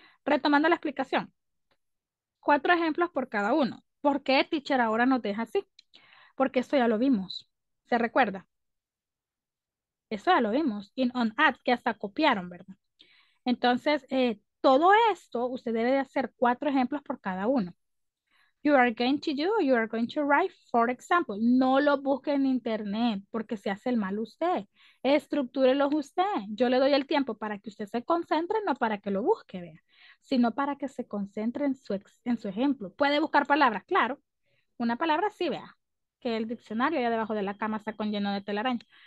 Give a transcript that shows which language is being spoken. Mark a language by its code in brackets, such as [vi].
[es] Retomando la explicación, cuatro ejemplos por cada uno. ¿Por qué teacher ahora nos deja así? Porque eso ya lo vimos, ¿se recuerda? Eso ya lo vimos, in on ad, que hasta copiaron, ¿verdad? Entonces, todo esto, usted debe de hacer cuatro ejemplos por cada uno. [en] You are going to do, you are going to write, for example. [es] No lo busque en internet porque se hace el mal usted. Estructúrelo usted. Yo le doy el tiempo para que usted se concentre, no para que lo busque, vea, sino para que se concentre en su ejemplo. Puede buscar palabras, claro. Una palabra sí, vea, que el diccionario allá debajo de la cama está con lleno de telaraña.